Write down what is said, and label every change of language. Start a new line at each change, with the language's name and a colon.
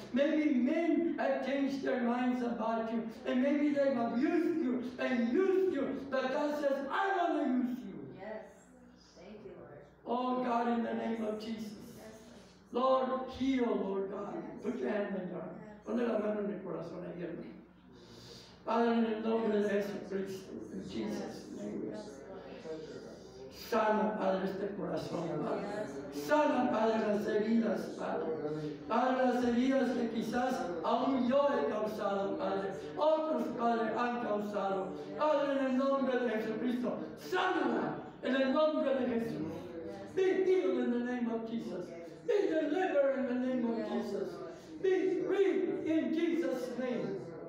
English: Maybe men have changed their minds about you. And maybe they've abused you and used you. But God says, I want to use you. Oh, God, in the name of Jesus. Lord, heal, Lord God. Put your hand in your heart.
Spanish: Ponle la mano en el corazón, ayúdame.
English: Father, in the name of Jesus, in Jesus' name.
Spanish: Sana, Padre, este corazón, Padre. Sana, Padre, las heridas, Padre. Padre, las heridas que quizás aún yo he causado, Padre. Otros, Padre, han causado. Padre, en el nombre de Jesucristo, sánala en el nombre de Jesús.
English: Be healed in the name of Jesus. Be delivered in the name of Jesus. Be free in Jesus' name.